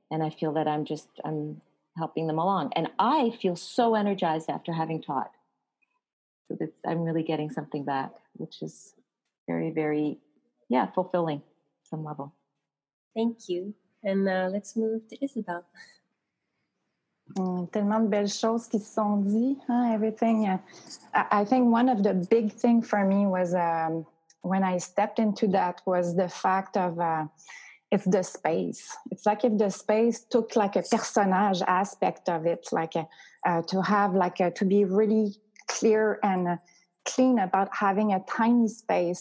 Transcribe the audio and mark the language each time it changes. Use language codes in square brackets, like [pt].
[en] And I feel that I'm helping them along. And I feel so energized after having taught. So that I'm really getting something back, which is very, very, fulfilling at some level. Thank you. And let's move to Isabel. [fr] Tellement de belles choses qui se sont dites, hein, everything. [en] I think one of the big things for me was when I stepped into that was the fact of it's the space. It's like if the space took like a personage aspect of it, like to be really clear and clean about having a tiny space.